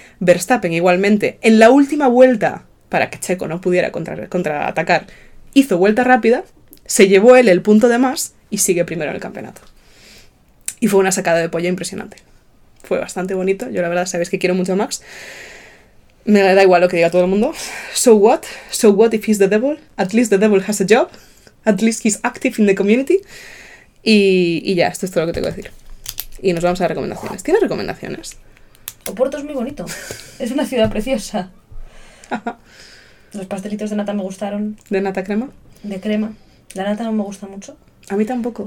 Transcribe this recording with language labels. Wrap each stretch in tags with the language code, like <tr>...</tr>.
<es>Verstappen igualmente, en la última vuelta, para que Checo no pudiera contraatacar, hizo vuelta rápida, se llevó él el punto de más y sigue primero en el campeonato. Y fue una sacada de polla impresionante. Fue bastante bonito. Yo la verdad, sabéis que quiero mucho a Max. Me da igual lo que diga todo el mundo.</es> <en>So what? So what if he's the devil? At least the devil has a job. At least he's active in the community.</en> <es>Y ya, esto es todo lo que tengo que decir. Y nos vamos a recomendaciones. ¿Tienes recomendaciones? Oporto es muy bonito. Es una ciudad preciosa. Los pastelitos de nata me gustaron. ¿De nata crema? De crema. La nata no me gusta mucho. A mí tampoco.</es>